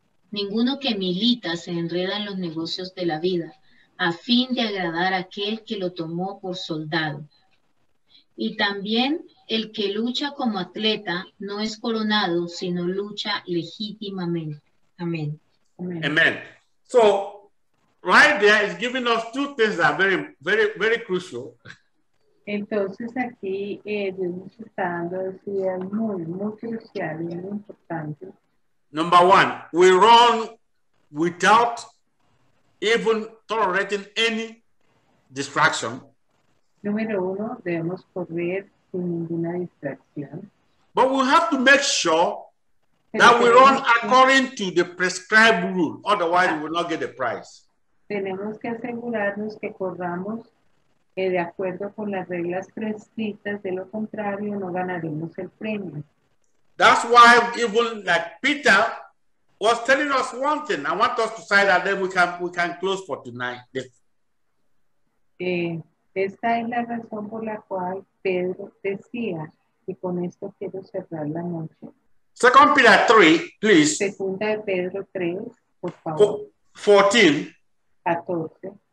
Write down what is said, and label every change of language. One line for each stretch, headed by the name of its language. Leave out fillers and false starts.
Spanish: Ninguno que milita se enreda en los negocios de la vida, a fin de agradar a aquel que lo tomó por soldado. Y también el que lucha como atleta no es coronado, sino lucha legítimamente. Amén.
English: Amen. Amen. So, right there is giving us two things that are very, very, very crucial.
Spanish: Entonces aquí Dios nos está dando dos ideas muy, muy cruciales, muy importantes.
English: Number one, we run without even tolerating any distraction.
Spanish: Número uno, debemos correr sin ninguna distracción.
English: But we have to make sure that we run according to the prescribed rule, otherwise we will not get the prize.
Spanish: Tenemos que asegurarnos que corramos de acuerdo con las reglas prescritas, de lo contrario no ganaremos el premio.
English: That's why even like Peter was telling us one thing. I want us to say that then we can close for tonight. Yes.
Spanish: Esta es la razón por la cual Pedro decía, y con esto quiero cerrar la noche.
English: Second Peter 3, please.
Spanish: Segunda de Pedro 3, por favor.
English: 14.
Spanish: 14.